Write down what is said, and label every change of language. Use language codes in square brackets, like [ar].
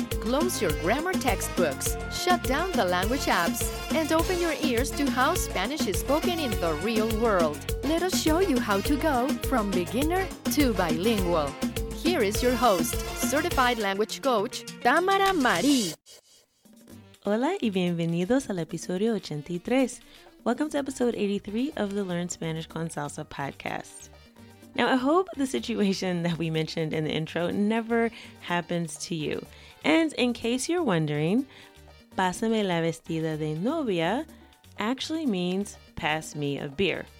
[en] Close your grammar textbooks, shut down the language apps, and open your ears to how Spanish is spoken in the real world. Let us show you how to go from beginner to bilingual. Here is your host, certified language coach, Tamara Marie. [es] Hola y bienvenidos al episodio 83. [en] Welcome to episode 83 of the Learn Spanish con Salsa podcast. Now, I hope the situation that we mentioned in the intro never happens to you. And in case you're wondering, [es] pásame la vestida de novia [en] actually means pass me a beer.